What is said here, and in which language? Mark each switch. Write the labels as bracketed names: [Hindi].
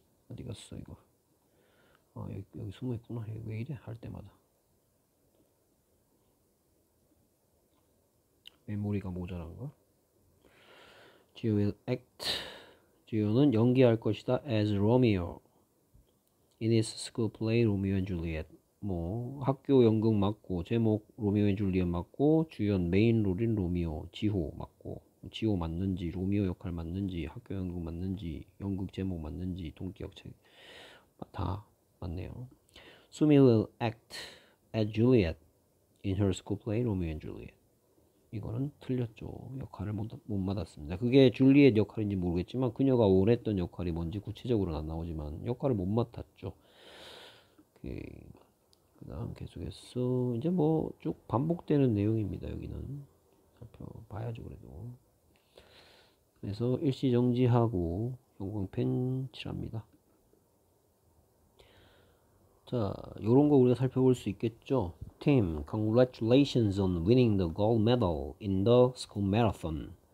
[Korean] 어디 갔어 이거? 아 여기 숨어있구나. 왜 이래? 할 때마다 메모리가 모자란가? [English] Gio will act. [Korean] Gio는 연기할 것이다. [English] As Romeo in his school play, Romeo and Juliet. [Korean] 뭐 학교 연극 맞고 제목 로미오 앤 줄리엣 맞고 주연 메인 롤인 로미오 지호 맞고 지호 맞는지 로미오 역할 맞는지 학교 연극 맞는지 연극 제목 맞는지 동기역책 다 맞네요. [English] Sumi will act as Juliet in her school play Romeo and Juliet. [Korean] 이거는 틀렸죠. 역할을 못 맡았습니다. 그게 줄리엣 역할인지 모르겠지만 그녀가 원했던 역할이 뭔지 구체적으로는 안 나오지만 역할을 못 맡았죠. 오케이. 그 다음 계속해서 이제 뭐쭉 반복되는 내용입니다. 여기는 살펴봐야죠. 그래도 그래서 일시정지하고 형광펜 칠합니다. 자, 요런 거 우리가 살펴볼 수 있겠죠. [English] Team, congratulations on winning the gold medal in the school marathon.